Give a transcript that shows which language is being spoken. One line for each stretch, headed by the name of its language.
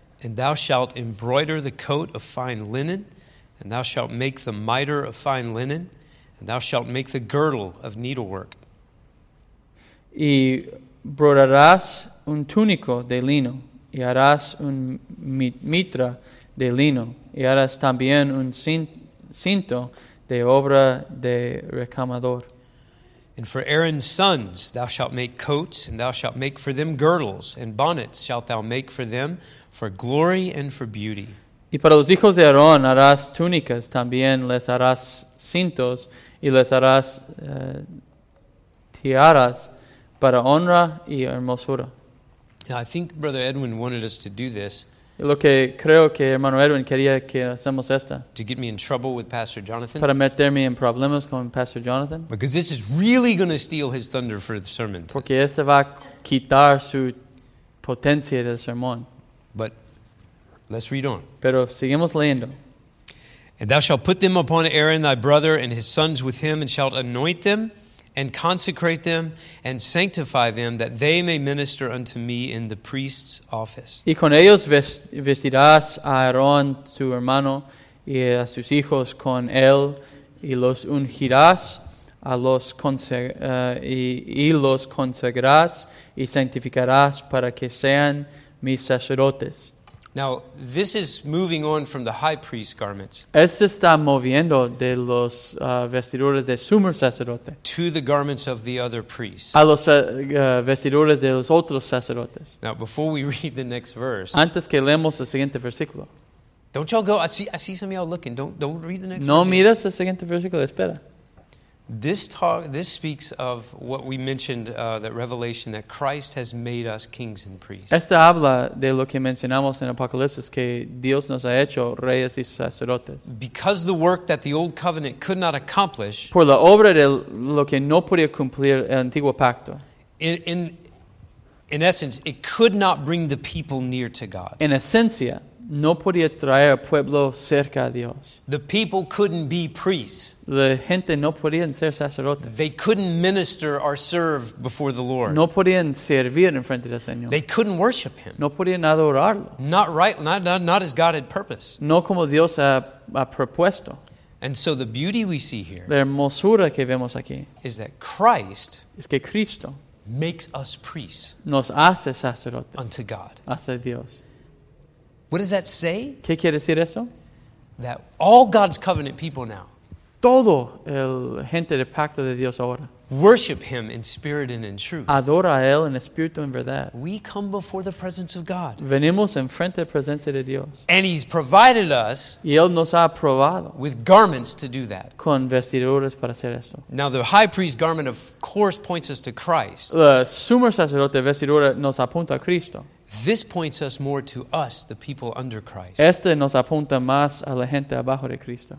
English: And thou shalt embroider the coat of fine linen, and thou shalt make the mitre of fine linen, and thou shalt make the girdle of needlework.
Spanish: Y brodarás un túnico de lino, y harás un mitra de lino, y harás también un cinto de obra de recamador.
English: And for Aaron's sons, thou shalt make coats, and thou shalt make for them girdles, and bonnets shalt thou make for them for glory and for beauty.
Spanish: Y para los hijos de Aarón harás túnicas, también les harás cintos, y les harás tiaras para honra y hermosura.
English: Now, I think Brother Edwin wanted us to do this.
Spanish: Lo que creo que hermano Edwin quería que hacemos esta.
English: To get me in trouble with Pastor Jonathan.
Spanish: Para meterme en problemas con Pastor Jonathan.
English: Because this is really going to steal his thunder for the sermon.
Spanish: Porque esta va a quitar su potencia del sermón.
English: But let's read on.
Spanish: Pero seguimos leyendo.
English: And thou shalt put them upon Aaron thy brother and his sons with him, and shalt anoint them, and consecrate them, and sanctify them, that they may minister unto me in the priest's office.
Spanish: Y con ellos vestirás a Aarón, su hermano, y a sus hijos con él, y los ungirás, a los los consagrarás, y santificarás para que sean mis sacerdotes.
English: Now, this is moving on from the high priest's garments.
Spanish: Esto está moviendo de los vestiduras de sumo sacerdote.
English: To the garments of the other priests.
Spanish: A los vestiduras de los otros sacerdotes.
English: Now, before we read the next verse.
Spanish: Antes que leemos el siguiente versículo.
English: Don't y'all go, I see some of y'all looking. Don't read the next verse. No version.
Spanish: Miras el siguiente versículo, espera.
English: This speaks of what we mentioned, that revelation that Christ has made us kings and priests.
Spanish: Esta habla de lo que mencionamos en Apocalipsis, que Dios nos ha hecho reyes y sacerdotes.
English: Because the work that the old covenant could not accomplish.
Spanish: Por la obra de lo que no podía cumplir el antiguo pacto.
English: In essence, it could not bring the people near to God.
Spanish: En esencia, no podía traer al pueblo cerca a Dios.
English: The people couldn't be priests.
Spanish: La gente no podían ser sacerdotes.
English: They couldn't minister or serve before the Lord.
Spanish: No podían servir en frente del Señor.
English: They couldn't worship Him.
Spanish: No podían adorarlo.
English: Not right, not as God had purposed.
Spanish: No como Dios ha propuesto.
English: And so the beauty we see here,
Spanish: la hermosura que vemos aquí,
English: is that Christ
Spanish: es que Cristo
English: makes us priests,
Spanish: nos hace sacerdotes
English: unto God,
Spanish: hacia Dios.
English: What does that say?
Spanish: ¿Qué quiere decir eso?
English: That all God's covenant people now.
Spanish: Todo el gente del pacto de Dios ahora.
English: Worship Him in spirit and in truth.
Spanish: Adora a él en espíritu y en verdad.
English: We come before the presence of God.
Spanish: Venimos en frente de la presencia de Dios.
English: And He's provided us.
Spanish: Y él nos ha probado.
English: With garments to do that.
Spanish: Con vestiduras para hacer esto.
English: Now the high priest's garment, of course, points us to Christ.
Spanish: La sumo sacerdote vestidura nos apunta a Cristo.
English: This points us more to us, the people under Christ.
Spanish: Este nos apunta más a la gente abajo de Cristo.